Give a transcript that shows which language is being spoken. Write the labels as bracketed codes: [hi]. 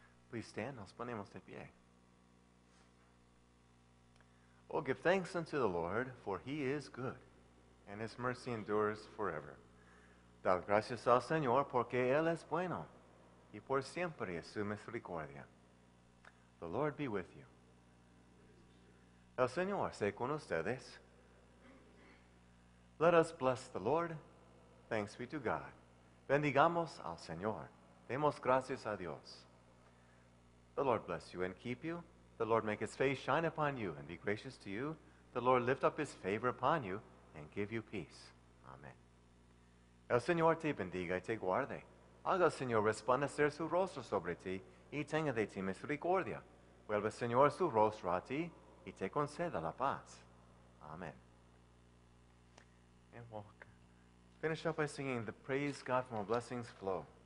[en] Please stand, [es] nos ponemos de pie. [en] Oh, give thanks unto the Lord, for he is good, and his mercy endures forever. [es] Dad gracias al Señor, porque él es bueno, y por siempre es su misericordia. [en] The Lord be with you. [es] El Señor esté con ustedes. [en] Let us bless the Lord. Thanks be to God. [es] Bendigamos al Señor. Demos gracias a Dios. [en] The Lord bless you and keep you. The Lord make his face shine upon you and be gracious to you. The Lord lift up his favor upon you and give you peace. [es] Amen. El Señor te bendiga y te guarde. Haga el Señor resplandecer su rostro sobre ti y tenga de ti misericordia. Vuelva el Señor su rostro a ti y te conceda la paz. Amen. [en] And we'll finish up by singing the Praise God from Our Blessings Flow.